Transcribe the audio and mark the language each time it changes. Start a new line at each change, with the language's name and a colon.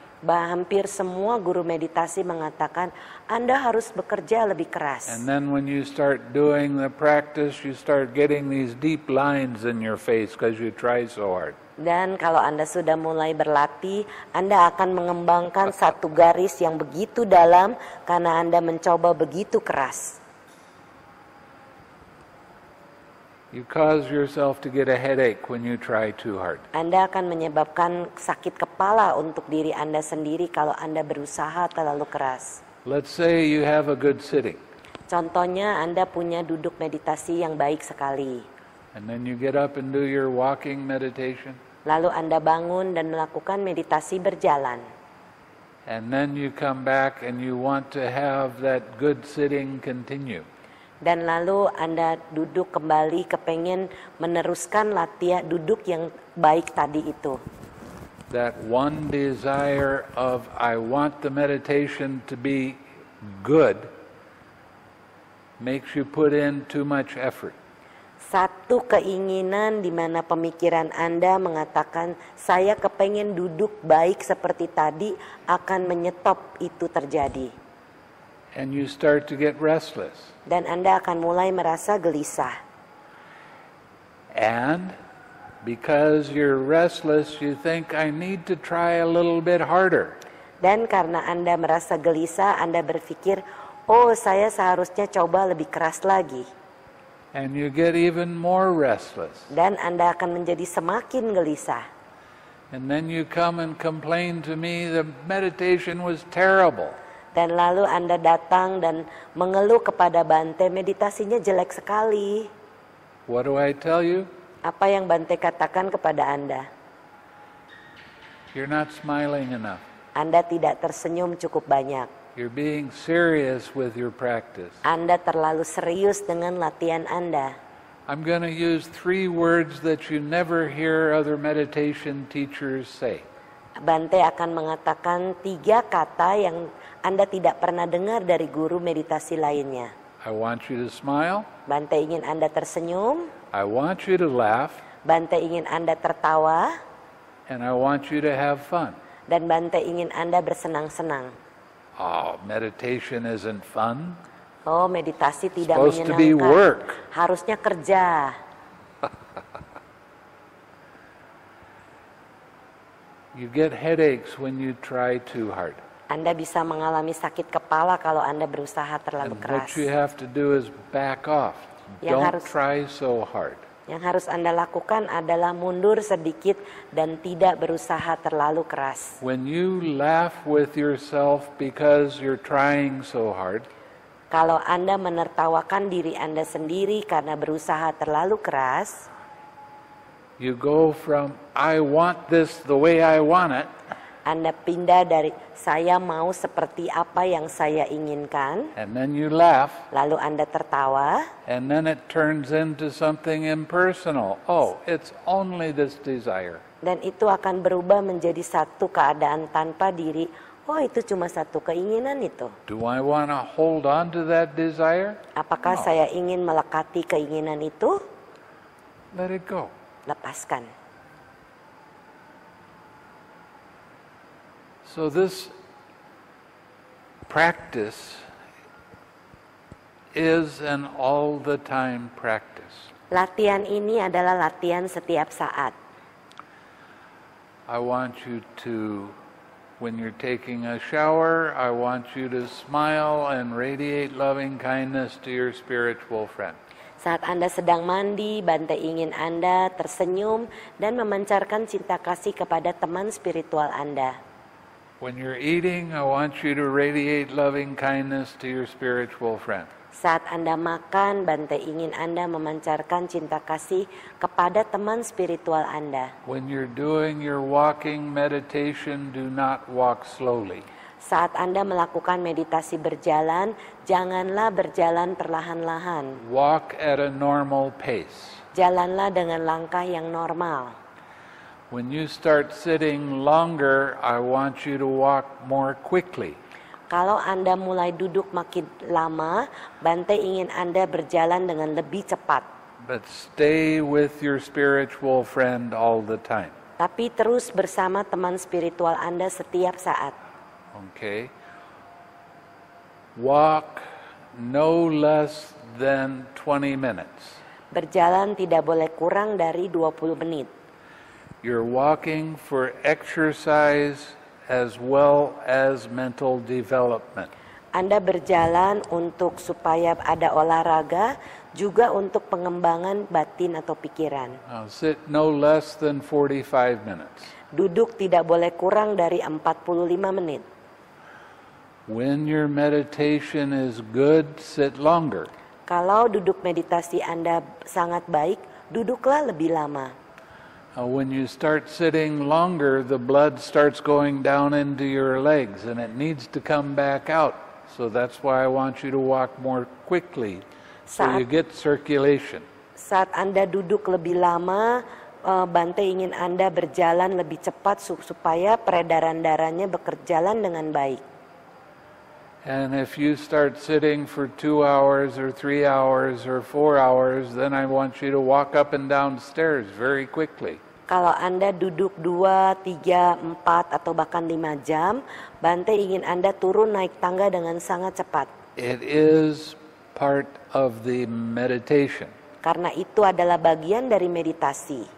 Indonesian: Hampir semua guru meditasi mengatakan Anda harus bekerja lebih keras.
English: And then when you start doing the practice, you start getting these deep lines in your face because you try so hard.
Indonesian: Dan kalau Anda sudah mulai berlatih, Anda akan mengembangkan satu garis yang begitu dalam karena Anda mencoba begitu keras.
English: You cause yourself to get a headache when you try too hard.
Indonesian: Anda akan menyebabkan sakit kepala untuk diri Anda sendiri kalau Anda berusaha terlalu keras.
English: Let's say you have a good sitting.
Indonesian: Contohnya Anda punya duduk meditasi yang baik sekali.
English: And then you get up and do your walking meditation.
Indonesian: Lalu Anda bangun dan melakukan meditasi berjalan.
English: And then you come back and you want to have that good sitting continue.
Indonesian: Dan lalu Anda duduk kembali kepengen meneruskan latihan duduk yang baik tadi itu.
English: That one desire of I want the meditation to be good makes you put in too much effort.
Indonesian: Satu keinginan di mana pemikiran Anda mengatakan saya kepengen duduk baik seperti tadi akan menyetop itu terjadi.
English: And you start to get restless.
Indonesian: Dan Anda akan mulai merasa gelisah.
English: And because you're restless, you think I need to try a little bit harder.
Indonesian: Dan karena Anda merasa gelisah, Anda berpikir, "Oh, saya seharusnya coba lebih keras lagi."
English: And you get even more restless.
Indonesian: Dan Anda akan menjadi semakin gelisah.
English: And then you come and complain to me the meditation was terrible.
Indonesian: Dan lalu Anda datang dan mengeluh kepada Bhante, meditasinya jelek sekali.
English: What do I tell you?
Indonesian: Apa yang Bhante katakan kepada Anda?
English: You're not smiling enough.
Indonesian: Anda tidak tersenyum cukup banyak.
English: You're being serious with your practice.
Indonesian: Anda terlalu serius dengan latihan Anda.
English: I'm going to use three words that you never hear other meditation teachers say.
Indonesian: Bhante akan mengatakan tiga kata yang Anda tidak pernah dengar dari guru meditasi lainnya.
English: I want you to smile.
Indonesian: Bhante ingin Anda tersenyum.
English: I want you to laugh.
Indonesian: Bhante ingin Anda tertawa.
English: And I want you to have fun.
Indonesian: Dan Bhante ingin Anda bersenang-senang.
English: Oh, meditation isn't fun.
Indonesian: Oh, meditasi tidak
English: supposed
Indonesian: menyenangkan.
English: Supposed to be work.
Indonesian: Harusnya kerja.
English: You get headaches when you try too hard.
Indonesian: Anda bisa mengalami sakit kepala kalau Anda berusaha terlalu
English: and
Indonesian: keras.
English: What you have to do is back off. Try so hard.
Indonesian: Yang harus Anda lakukan adalah mundur sedikit dan tidak berusaha terlalu keras.
English: When you laugh with yourself because you're trying so hard.
Indonesian: Kalau Anda menertawakan diri Anda sendiri karena berusaha terlalu keras.
English: You go from I want this the way I want it.
Indonesian: Anda pindah dari saya mau seperti apa yang saya inginkan.
English: And then you laugh.
Indonesian: Lalu Anda tertawa.
English: And then it turns into something impersonal. Oh, it's only this desire.
Indonesian: Dan itu akan berubah menjadi satu keadaan tanpa diri. Oh, itu cuma satu keinginan itu.
English: Do I want to hold on to that desire?
Indonesian: Apakah saya ingin melekati keinginan itu?
English: Let it go.
Indonesian: Lepaskan.
English: So this practice is an all the time practice.
Indonesian: Latihan ini adalah latihan setiap saat.
English: I want you to, when you're taking a shower, I want you to smile and radiate loving kindness to your spiritual friend.
Indonesian: Saat Anda sedang mandi, Bhante ingin Anda tersenyum dan memancarkan cinta kasih kepada teman spiritual Anda.
English: When you're eating, I want you to radiate loving kindness to your spiritual friend.
Indonesian: Saat Anda makan, Bhante ingin Anda memancarkan cinta kasih kepada teman spiritual Anda.
English: When you're doing your walking meditation, do not walk slowly.
Indonesian: Saat Anda melakukan meditasi berjalan, janganlah berjalan perlahan-lahan.
English: Walk at a normal pace.
Indonesian: Jalanlah dengan langkah yang normal.
English: When you start sitting longer, I want you to walk more quickly.
Indonesian: Kalau Anda mulai duduk makin lama, Bhante ingin Anda berjalan dengan lebih cepat.
English: But stay with your spiritual friend all the time.
Indonesian: Tapi terus bersama teman spiritual Anda setiap saat.
English: Okay. Walk no less than 20 minutes.
Indonesian: Berjalan tidak boleh kurang dari 20 menit.
English: You're walking for exercise as well as mental development.
Indonesian: Anda berjalan untuk supaya ada olahraga, juga untuk pengembangan batin atau pikiran.
English: Now sit no less than 45 minutes.
Indonesian: Duduk tidak boleh kurang dari 45 menit.
English: When your meditation is good, sit longer.
Indonesian: Kalau duduk meditasi Anda sangat baik, duduklah lebih lama.
English: When you start sitting longer, the blood starts going down into your legs and it needs to come back out. So that's why I want you to walk more quickly so you get circulation.
Indonesian: Saat Anda duduk lebih lama, Bhante ingin Anda berjalan lebih cepat supaya peredaran darahnya berjalan dengan baik.
English: And if you start sitting for 2 hours or 3 hours or 4 hours, then I want you to walk up and down stairs very quickly.
Indonesian: Kalau Anda duduk 2, 3, 4 atau bahkan 5 jam, Bhante ingin Anda turun naik tangga dengan sangat cepat.
English: It is part of the meditation.
Indonesian: Karena itu adalah bagian dari meditasi.